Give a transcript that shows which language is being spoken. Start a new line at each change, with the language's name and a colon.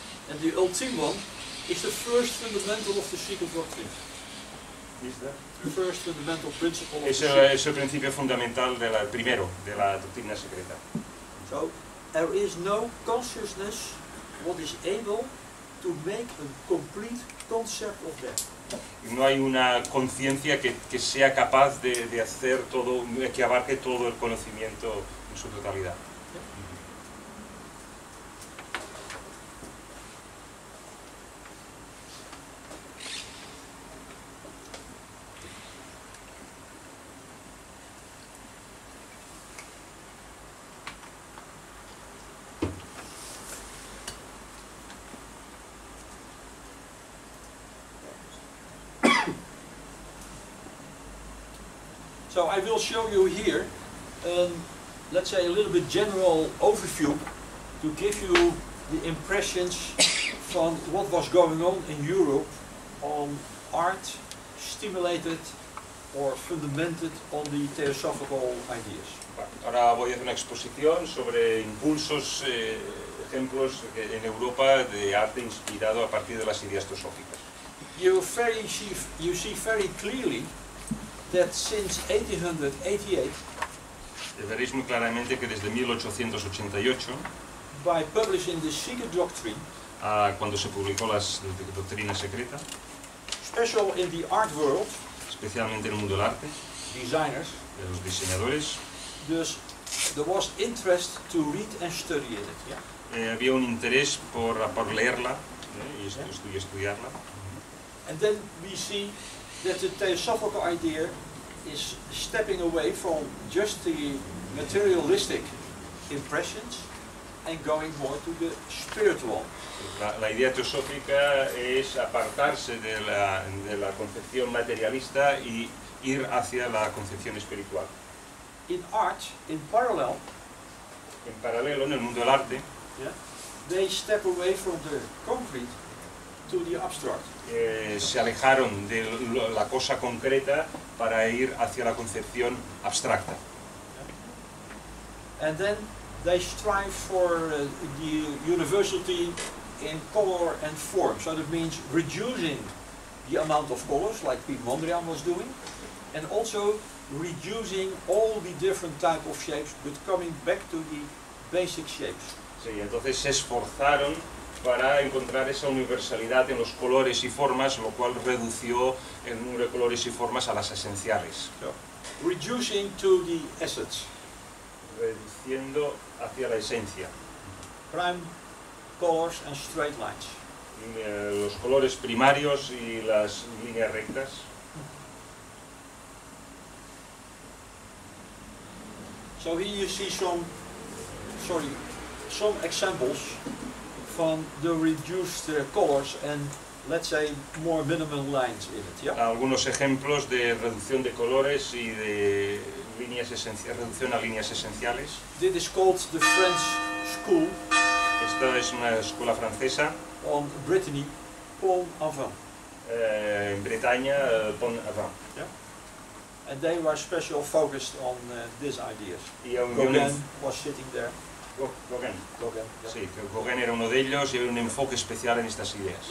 English: And the ultimate one, it's the first fundamental of the secret doctrine. Is that? The first fundamental principle of es the secret.
Spanish: Es el principio fundamental del primero, de la doctrina secreta.
English: So, there is no consciousness what is able to make a complete concept of that.
Spanish: Y no hay una conciencia que sea capaz de hacer todo, que abarque todo el conocimiento en su totalidad.
English: So I will show you here, let's say a little bit general overview to give you the impressions from what was going on in Europe on art stimulated or fundamented on the theosophical ideas.
Spanish: Ahora voy a hacer una exposición sobre impulsos, ejemplos en Europa de arte inspirado a partir de las ideas teosóficas.
English: You see very clearly that since 1888,
Spanish: veréis muy claramente que desde 1888,
English: by publishing the secret doctrine,
Spanish: cuando se publicó la doctrina secreta,
English: special in the art world,
Spanish: especialmente en el mundo del arte,
English: designers,
Spanish: de los diseñadores,
English: thus there was interest to read and study it. Yeah?
Spanish: Había un interés por leerla, y estudiarla.
English: And then we see that the theosophical idea is stepping away from just the materialistic impressions and going more to the spiritual.
Spanish: La idea teosófica es apartarse de la concepción materialista y ir hacia la concepción espiritual.
English: In art, in parallel,
Spanish: en paralelo, en el mundo del arte,
English: yeah, they step away from the concrete to the abstract.
Spanish: Se alejaron de la cosa concreta para ir hacia la concepción abstracta.
English: And then they strive for the universality in color and form. So that means reducing the amount of colors, like Piet Mondrian was doing, and also reducing all the different type of shapes, but coming back to the basic shapes.
Spanish: Sí, entonces se esforzaron para encontrar esa universalidad en los colores y formas, lo cual redució el número de colores y formas a las esenciales.
English: So, reducing to the essence.
Spanish: Reduciendo hacia la esencia.
English: Prime colors and straight lines.
Spanish: Y, los colores primarios y las líneas rectas.
English: So here you see some examples from the reduced colors and, let's say, more minimal lines in it. Yeah?
Spanish: Algunos ejemplos de reducción de colores y de líneas esenciales, reducción a líneas esenciales.
English: This is called the French School.
Spanish: Esta es una escuela francesa.
English: On Brittany, Pont Aven.
Spanish: En Bretaña, Pont Aven.
English: Yeah? And they were special focused on these ideas. Gauguin was sitting there. Gauguin. Gauguin, yeah.
Spanish: Sí, Gauguin era uno de ellos y había un enfoque especial en estas ideas.